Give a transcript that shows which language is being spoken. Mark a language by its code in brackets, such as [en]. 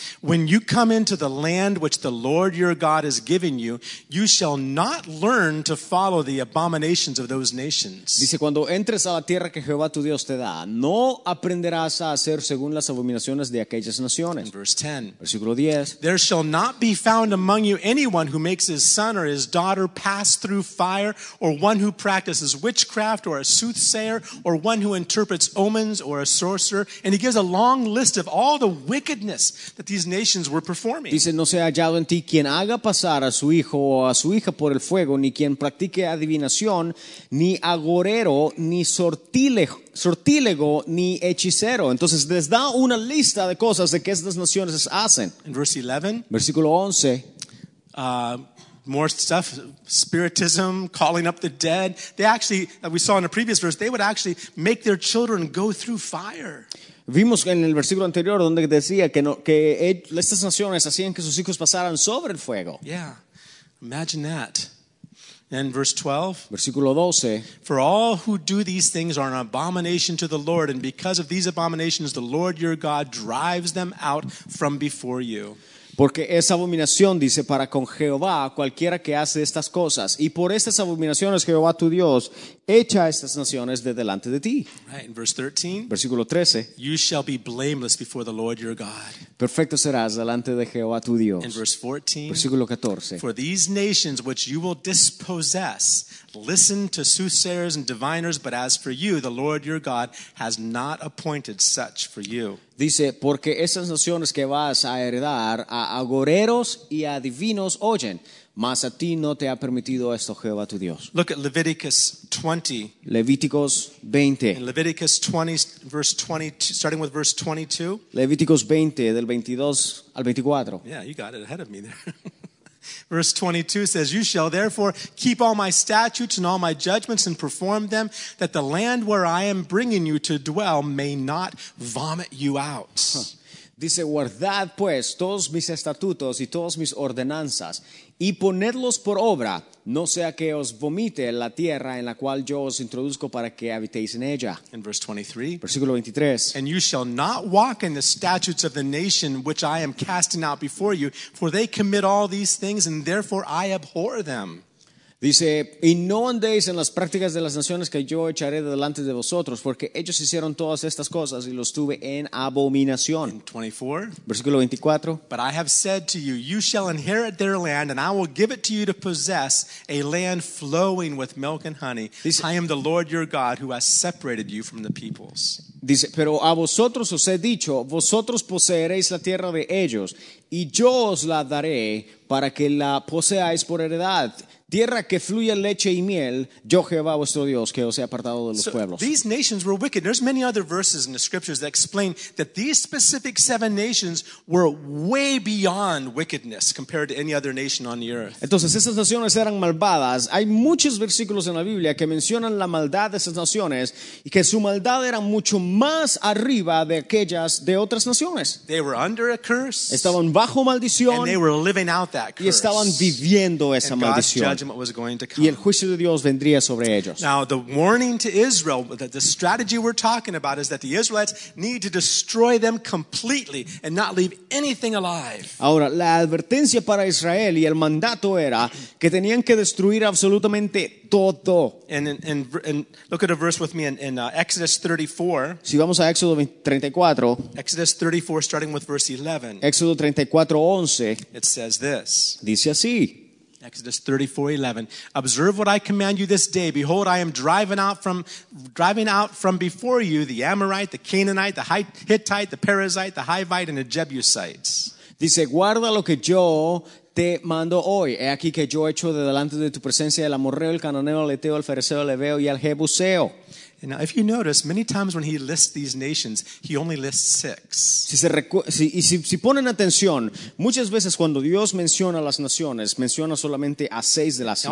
[en] When you come into the land which the Lord your God has given you, you shall not learn to follow the abominations of those nations. [es] Dice, cuando entres a la tierra que Jehová tu Dios te da, no aprenderás a hacer según las abominaciones de aquellas naciones. [en] In verse 10. [es] Versículo 10. [en] There shall not be found among you anyone who makes his son or his daughter pass through fire, or one who practices witchcraft, or a soothsayer, or one who interprets omens, or a sorcerer. And he gives a long list of all the wickedness that these nations were performing. [es] Dice, no sea hallado en ti quien haga pasar a su hijo o a su hija por el fuego, ni quien practique adivinación, ni agorero, ni sortílego, ni hechicero. Entonces les da una lista de cosas de que estas naciones hacen. [en] In verse 11, [es] versículo 11, [en] more stuff, spiritism, calling up the dead. They actually, we saw in a previous verse, they would actually make their children go through fire. [es] Vimos en el versículo anterior donde decía que, no, que estas naciones hacían que sus hijos pasaran sobre el fuego. [en] Yeah, imagine that. And verse 12. [es] Versículo 12. [en] For all who do these things are an abomination to the Lord, and because of these abominations the Lord your God drives them out from before you. [es] Porque es abominación, dice, para con Jehová cualquiera que hace estas cosas. Y por estas abominaciones, Jehová tu Dios, echa estas naciones de delante de ti. [en] Right, in verse 13. [es] Versículo 13. [en] You shall be blameless before the Lord your God. [es] Perfecto serás delante de Jehová tu Dios. [en] In verse 14. [es] Versículo 14. [en] For these nations which you will dispossess, listen to soothsayers and diviners, but as for you, the Lord your God has not appointed such for you. [es] Dice, porque esas naciones que vas a heredar a agoreros y a adivinos oyen, mas a ti no te ha permitido esto Jehová tu Dios. [en] Look at Leviticus 20. [es] Levíticos 20. [en] In Leviticus 20, verse 22, starting with verse 22. [es] Levíticos 20, del 22 al 24. [en] Yeah, you got it ahead of me there. Verse 22 says, you shall therefore keep all my statutes and all my judgments and perform them, that the land where I am bringing you to dwell may not vomit you out. [es] Dice, guardad pues todos mis estatutos y todas mis ordenanzas y ponedlos por obra, no sea que os vomite la tierra en la cual yo os introduzco para que habitéis en ella. [en] In verse 23. [es] Versículo 23. [en] And you shall not walk in the statutes of the nation which I am casting out before you, for they commit all these things and therefore I abhor them. [es] Dice, y no andéis en las prácticas de las naciones que yo echaré delante de vosotros, porque ellos hicieron todas estas cosas y los tuve en abominación. [en] 24. [es] Versículo 24. [en] But I have said to you, you shall inherit their land, and I will give it to you to possess, a land flowing with milk and honey. [es] Dice, [en] I am the Lord your God who has separated you from the peoples. [es] Dice, pero a vosotros os he dicho, vosotros poseeréis la tierra de ellos, y yo os la daré para que la poseáis por heredad. Tierra que fluye leche y miel, yo Jehová vuestro Dios, que os he apartado de los pueblos. [en] These nations were wicked. There's many other verses in the scriptures that explain that these specific seven nations were way beyond wickedness compared to any other nation on the earth. [es] Entonces, esas naciones eran malvadas. Hay muchos versículos en la Biblia que mencionan la maldad de esas naciones y que su maldad era mucho más arriba de aquellas de otras naciones. [en] They were under a curse. [es] Estaban bajo maldición. [en] And they were living out that curse. [es] Y estaban viviendo esa [en] and [es] maldición. [en] Judgment was going to come. [es] Y el juicio de Dios vendría sobre ellos. [en] Now, the warning to Israel, the strategy we're talking about is that the Israelites need to destroy them completely and not leave anything alive. [es] Ahora, la advertencia para Israel y el mandato era que tenían que destruir absolutamente todo. [en] And look at a verse with me in Exodus 34. [es] Si vamos a Éxodo 34. [en] Exodus 34, starting with verse 11. [es] Éxodo 34:11. [en] It says this. [es] Dice así. [en] Exodus 34:11. Observe what I command you this day. Behold, I am driving out from before you the Amorite, the Canaanite, the Hittite, the Perizzite, the Hivite, and the Jebusites. [es] Dice, guarda lo que yo te mando hoy. He aquí que yo echo de delante de tu presencia el Amorreo, el Cananeo, el Eteo, el Fereceo, el Eveo y el Jebuseo. [en] Now, if you notice, many times when he lists these nations, he only lists six. [es] Si ponen atención, muchas veces cuando Dios menciona las naciones, menciona solamente a seis de las siete.